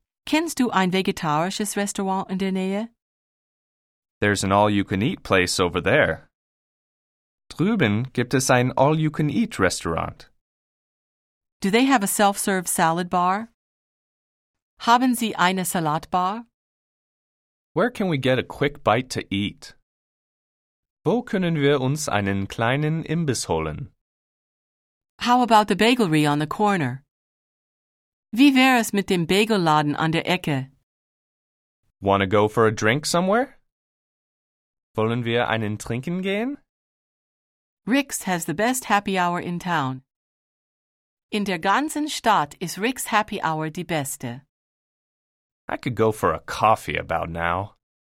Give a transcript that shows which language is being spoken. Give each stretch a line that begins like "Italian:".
German: Kennst du ein vegetarisches Restaurant in der Nähe?
English: There's an all-you-can-eat place over there.
German: Drüben gibt es ein all-you-can-eat Restaurant.
English: Do they have a self-serve salad bar?
German: Haben Sie eine Salatbar?
English: Where can we get a quick bite to eat?
German: Wo können wir uns einen kleinen Imbiss holen?
English: How about the bagelry on the corner?
German: Wie wäre es mit dem Bagelladen an der Ecke?
English: Wanna go for a drink somewhere?
German: Wollen wir einen trinken gehen?
English: Rick's has the best happy hour in town.
German: In der ganzen Stadt ist Rick's happy hour die beste.
English: I could go for a coffee about now.